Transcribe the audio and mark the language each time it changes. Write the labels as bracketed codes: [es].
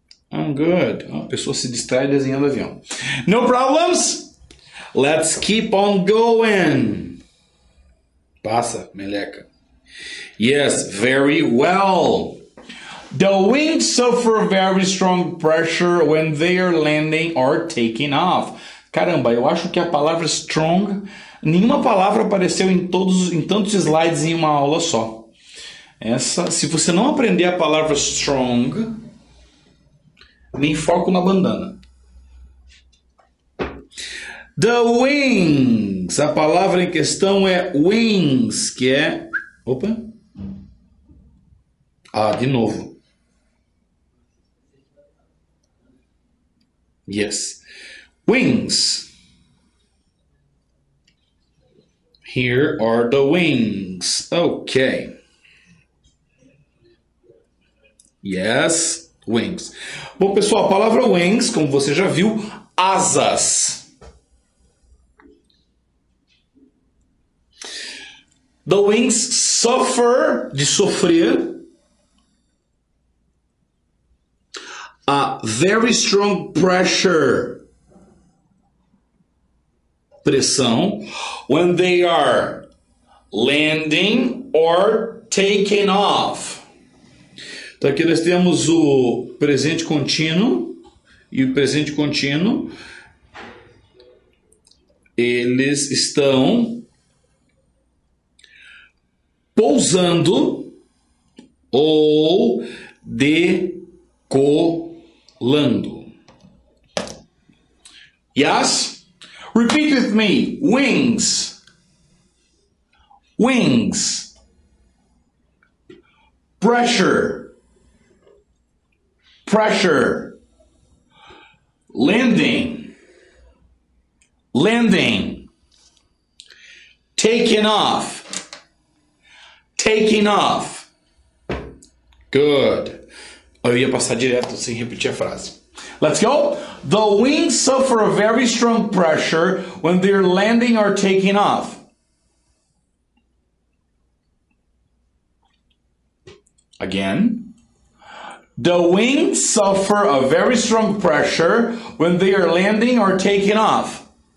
[en] I'm good. [pt] A pessoa se distrai desenhando avião. [en] No problems. Let's keep on going. [pt] Passa, meleca. [en] Yes, very well. The wings suffer very strong pressure when they are landing or taking off. [pt] Caramba, eu acho que a palavra strong, nenhuma palavra apareceu em tantos slides em uma aula só. Essa, se você não aprender a palavra strong, nem foco na bandana. [en] The wings. [pt] A palavra em questão é wings, que é... Opa. Ah, de novo. [en] Yes. Wings. Here are the wings. Okay. Yes, wings. [pt] Bom, pessoal, a palavra wings, como você já viu, asas. [en] The wings suffer, [pt] de sofrer, [en] a very strong pressure, pressão, when they are landing or taking off. [pt] Então aqui nós temos o presente contínuo e o presente contínuo. Eles estão pousando ou decolando. Yes? [en] Repeat with me. Wings. Wings. Pressure. Pressure. Landing. Landing. Taking off. Taking off. Good. [pt] Eu ia passar direto sem repetir a frase. [en] Let's go. The wings suffer a very strong pressure when they're landing or taking off. Again. The wings suffer a very strong pressure when they are landing or taking off.